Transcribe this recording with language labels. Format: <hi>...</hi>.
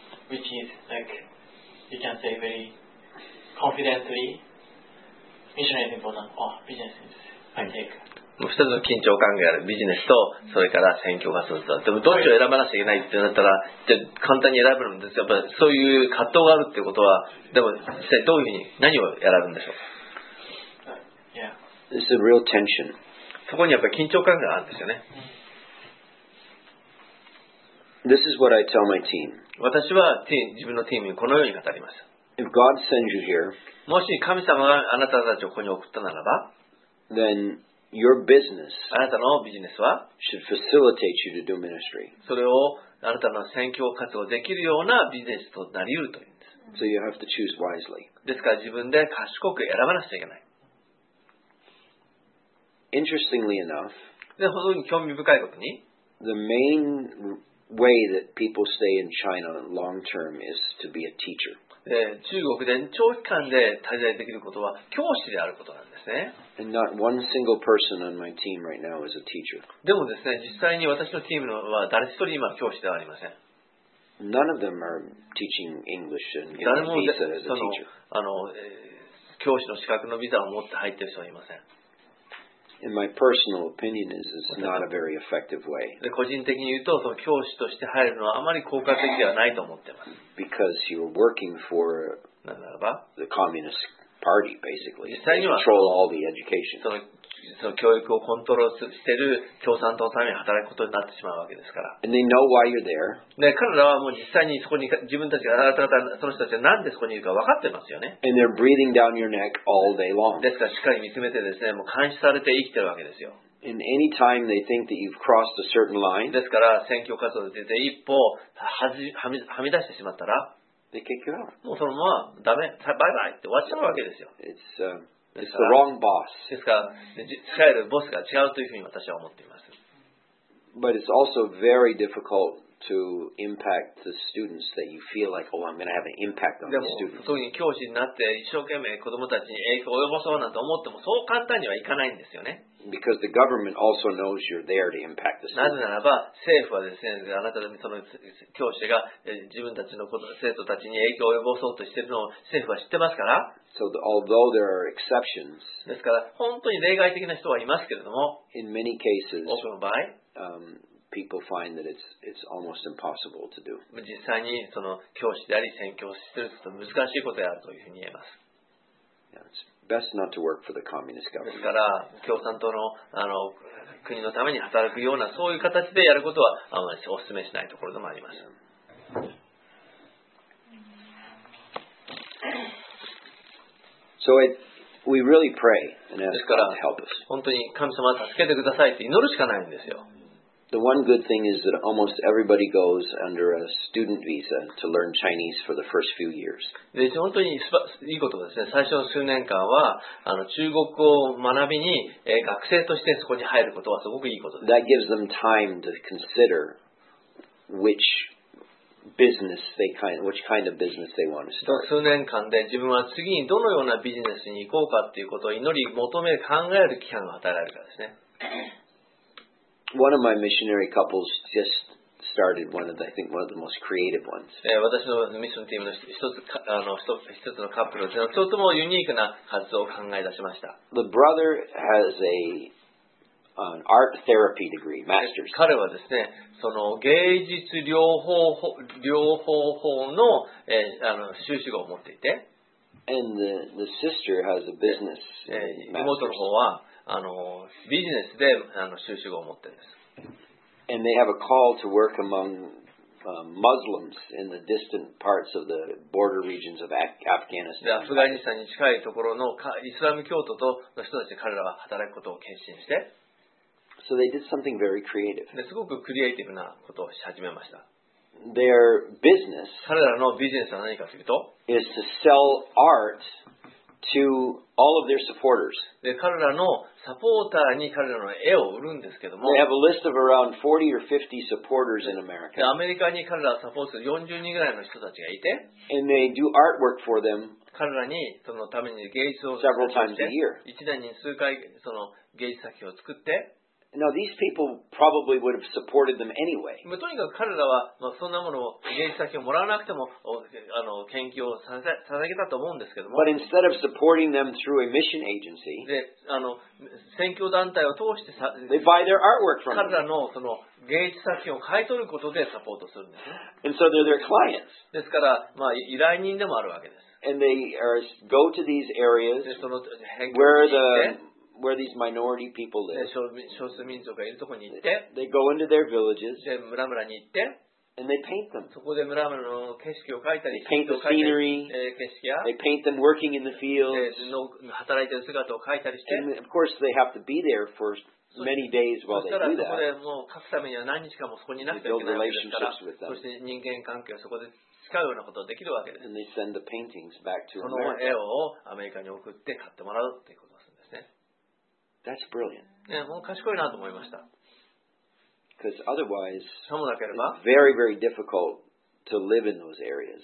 <en>which is you can say very confidently, missionary is important or business is</en> <ja>もう一つの緊張感があるビジネスとそれから選挙活動と、でもどっちを選ばなきゃいけないってなったら、じゃ簡単に選ぶのもやっぱそういう葛藤があるってことは、でも実際どういうふうに何を選ぶんでしょう。</ja> <en>Yeah. It's a real tension.</en> <ja>そこにやっぱり緊張感があるんですよね。</ja> <en>This is what I tell my team.</en> <ja>私は自分のチームにこのように語ります。</ja> <en>If God sends you here,</en> <ja>もし神様があなたたちをここに送ったならば、</ja> <en>then your business</en> <ja>あなたのビジネスは</ja> <en>should facilitate you to do ministry.</en> <ja>それをあなたの宣教活動できるようなビジネスとなり得るというんです。</ja> <en>So you have to choose wisely.</en> <ja>ですから自分で賢く選ばなくちゃいけない。</ja> <en>Interestingly enough,</en> <ja>で本当に興味深いことに</ja> <en>the main way that people stay in China long term is to be a teacher.</en> <ja>中国で長期間で滞在できることは教師であることなんですね。</ja> <en>And not one single person on my team right now is a teacher.</en> <ja>でもですね、実際に私のチームは誰一人今教師ではありません。</ja> <en>None of them are teaching English and getting a visa as a teacher.</en> <ja>誰もその教師の資格のビザを持って入っている人はいません。</ja> <en>In my personal opinion, is it's not a very effective way.</en> <ja>個人的に言うと、その教師として入るのはあまり効果的ではないと思ってます。</ja> <en>Because you're working for the Communist Party, basically.</en> <ja>実際には、</ja> <en>control all the education.</en> <ja>その教育をコントロールしている共産党のために働くことになってしまうわけですから。</ja> <en>And they know why you're there.</en> <ja>で、彼らはもう実際にそこに自分たちが、あなた方、その人たちがなんでそこにいるか分かってますよね。</ja> <en>And they're breathing down your neck all day long.</en> <ja>ですから、しっかり見つめてですね、もう監視されて生きてるわけですよ。</ja> <en>And any time they think that you've crossed a certain line,</en> <ja>ですから、選挙活動で出て一歩はみ出してしまったら、</ja> <en>they kick you out.</en> <ja>もうそのままダメ、バイバイって終わっちゃうわけですよ。</ja> <en>It's the wrong boss.</en> <ja>ですから、使えるボスが違うというふうに私は思っています。</ja> <en>But it's also very difficult to impact the students that you feel like, oh, I'm going to have an impact on the students.</en> <ja>でも、特に教師になって一生懸命子供たちに影響を及ぼそうなんて思っても、そう簡単にはいかないんですよね。</ja> <en>Because the government also knows you're there to impact the students.</en> <ja>なぜならば、政府はですね、あなたのその教師が自分たちの生徒たちに影響を及ぼそうとしているのを政府は知ってますから、</ja> <en>So although there are exceptions,</en> <ja>ですから本当に例外的な人はいますけれども、</ja> <en>in many cases,</en> <ja>多くの場合、</ja> <en>people find that it's almost impossible to do.</en> <ja>実際にその教師であり宣教師してるちょっと難しいことであるというふうに言えます。</ja> <en>Yeah, it's best not to work for the communist government.</en> <ja>ですから共産党の国のために働くようなそういう形でやることはあまりお勧めしないところでもあります。</ja> <en>So we really pray and ask God to help us.</en> <ja>本当に神様助けてくださいって祈るしかないんですよ。</ja> <en>The one good thing is that almost everybody goes under a student visa to learn Chinese for the first few years.</en> <ja>で、本当にいいことですね。最初の数年間は中国語を学びに学生としてそこに入ることはすごくいいことです。</ja> <en>That gives them time to consider which business they kind which kind of business they want to start.</en> <ja>数年間で自分は次にどのようなビジネスに行こうかということを祈り求め考える期間が与えられるからですね。</ja> <en>One of my missionary couples just started one of the, I think one of the most creative ones.</en> <ja>私のミッションチームの一つのカップルのとてもユニークな活動を考え出しました。</ja> <en>The brother has an art therapy degree, master's.</en> <ja>彼はですね、その芸術療法法の、修士号を持っていて。</ja> <en>And the sister has a business master's.</en> <ja>妹の方はビジネスで修士号を持ってるんです。</ja> <en>And they have a call to work among Muslims in the distant parts of the border regions of Afghanistan.</en> <ja>アフガニスタンに近いところのイスラム教徒との人たちで彼らは働くことを決心して。</ja> <en>So they did something very creative.</en> <ja>ですごくクリエイティブなことをし始めました。</ja> <en>Their business</en> <ja>彼らのビジネスは何かというと</ja> <en>is to sell art to all of their supporters.</en> <ja>で彼らのサポーターに彼らの絵を売るんですけども</ja> <en>They have a list of around 40 or 50 supporters in America.</en> <ja>でアメリカに彼らをサポートする40人ぐらいの人たちがいて</ja> <en>And they do artwork for them</en> <ja>彼らにそのために芸術を</ja> <en>several times a year.</en> <ja>一年に数回その芸術作品を作って</ja> <en>Now these people probably would have supported them anyway.</en> <ja>まあとにかく彼らはまあそんなものを現地先をもらわなくても研究をささげたと思うんですけども。</ja> <en>But instead of supporting them through a mission agency,</en> <ja>で宣教団体を通して</ja> <en>they buy their artwork from them.</en> <ja>彼らのその現地作品を買い取ることでサポートするんですね。</ja> <en>And so they're their clients.</en> <ja>ですからまあ依頼人でもあるわけです。</ja> <en>And they go to these areas where the Where these minority people live,</en> <ja>少数民族がいるところに行って、</ja> <en>they go into their villages,</en> <ja>で村々に行って、</ja> <en>And they paint them.</en> <ja>そこで村々の景色を描いたり、</ja> <en>they paint the scenery,</en> <ja>景色や、</ja> <en>they paint them working in the fields,</en> <ja>の働いている姿を描いたりして、</ja> <en>and of course they have to be there for many days while they do that.</en> <ja>そしたらそこでもう描くためには何日かもそこになくてはいけないわけですから、そして人間関係をそこで使うようなことができるわけです。</ja> <en>And they send the paintings back to America.</en> <ja>その絵をアメリカに送って買ってもらうということですね。</ja> <en>That's brilliant.</en> <ja>ね、もう賢いなと思いました。</ja> <en>Because otherwise, it's very, very difficult to live in those areas.</en>